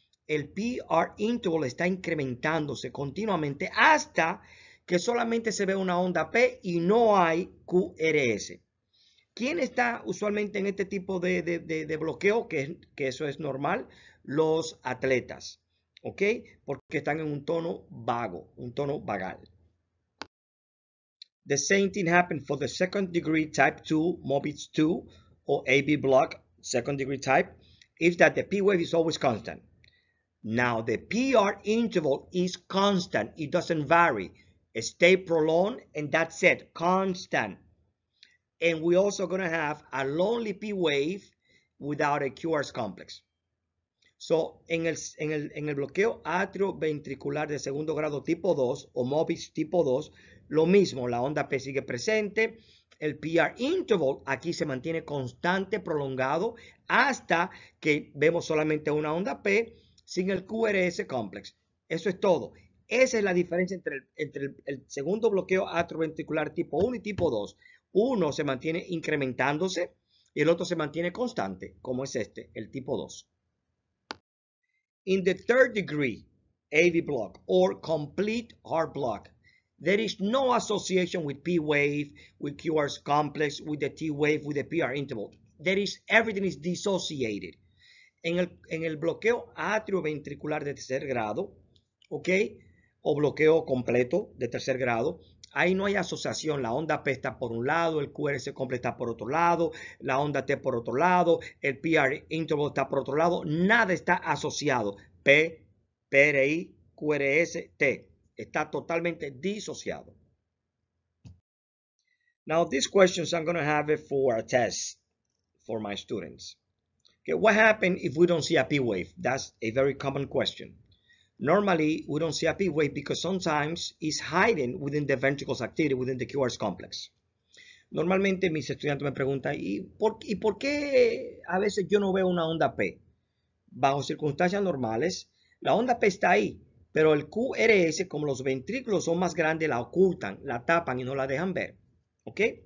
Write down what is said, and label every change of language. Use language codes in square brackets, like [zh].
[es] El PR interval está incrementándose continuamente hasta que solamente se ve una onda P y no hay QRS. ¿Quién está usualmente en este tipo de bloqueo? Que eso es normal. Los atletas. ¿Ok? Porque están en un tono vago, un tono vagal. [en] The same thing happened for the second degree type 2, MOPIT 2, or AV block, second degree type, is that the P wave is always constant. Now, the PR interval is constant. It doesn't vary. It stay prolonged, and that's it. Constant. And we're also going to have a lonely P wave without a QRS complex. [es] So, en el bloqueo atrioventricular de segundo grado tipo 2, o MOPIT tipo 2, lo mismo, la onda P sigue presente. El PR interval aquí se mantiene constante, prolongado, hasta que vemos solamente una onda P sin el QRS complex. Eso es todo. Esa es la diferencia entre el segundo bloqueo atrioventricular tipo 1 y tipo 2. Uno se mantiene incrementándose y el otro se mantiene constante, como es este, el tipo 2. [en] In the third degree AV block or complete heart block, there is no association with P wave, with QRS complex, with the T wave, with the PR interval. There is, everything is dissociated. [es] En el bloqueo atrioventricular de tercer grado, ¿ok? O bloqueo completo de tercer grado, ahí no hay asociación. La onda P está por un lado, el QRS complex está por otro lado, la onda T por otro lado, el PR interval está por otro lado. Nada está asociado. P, PRI, QRS, T. Está totalmente disociado. [en] Now, these questions, I'm going to have it for a test for my students. Okay, what happens if we don't see a P wave? That's a very common question. Normally, we don't see a P wave because sometimes it's hiding within the ventricles activity, within the QRS complex. [es] Normalmente, mis estudiantes me preguntan, ¿y por qué a veces yo no veo una onda P? Bajo circunstancias normales, la onda P está ahí. Pero el QRS, como los ventrículos son más grandes, la ocultan, la tapan y no la dejan ver. ¿Ok?